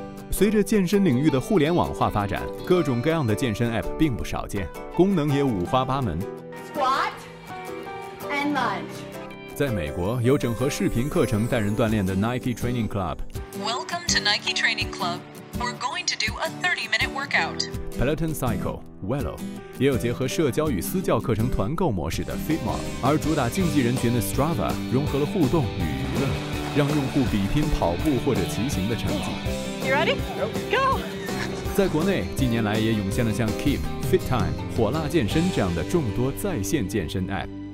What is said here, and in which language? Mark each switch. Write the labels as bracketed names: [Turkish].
[Chinese] 随着健身领域的互联网化发展，各种各样的健身 App 并不少见，功能也五花八门。 [English] Squat and lunge。 [Chinese] 在美国，有整合视频课程带人锻炼的 Nike Training Club。 [English] Welcome to Nike Training Club. We're going to do a 30-minute workout. [Chinese] Peloton Cycle, Wello， 也有结合社交与私教课程团购模式的 Fitmore， 而主打竞技人群的 Strava 融合了互动与娱乐，让用户比拼跑步或者骑行的成绩。 [English] You ready? Go! [Chinese] 在国内，近年来也涌现了像 Keep、Fit Time、火辣健身这样的众多在线健身 App。